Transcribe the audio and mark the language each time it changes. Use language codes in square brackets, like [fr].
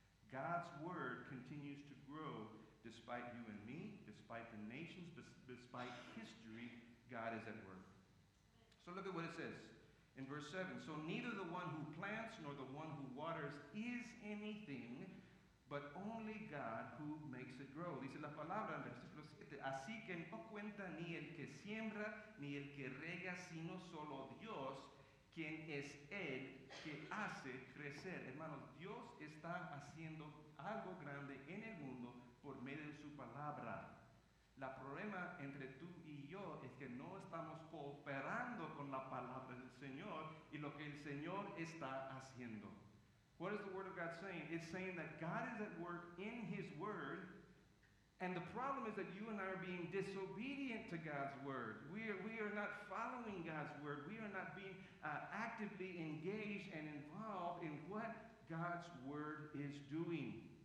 [en] God's Word continues to grow despite you and me, despite the nations, despite history. God is at work. So look at what it says in verse 7. So neither the one who plants nor the one who waters is anything, but only God who makes it grow. [es] Dice la palabra en versículo 7. Así que no cuenta ni el que siembra ni el que rega, sino solo Dios, quien es Él que hace crecer. Hermanos, Dios está haciendo algo grande en el mundo por medio de su palabra. La problema entre tú y yo es que no estamos cooperando con la palabra del Señor y lo que el Señor está haciendo. [en] What is the Word of God saying? It's saying that God is at work in His Word, and the problem is that you and I are being disobedient to God's Word. We are not following God's Word. We are not being actively engaged and involved in what God's Word is doing.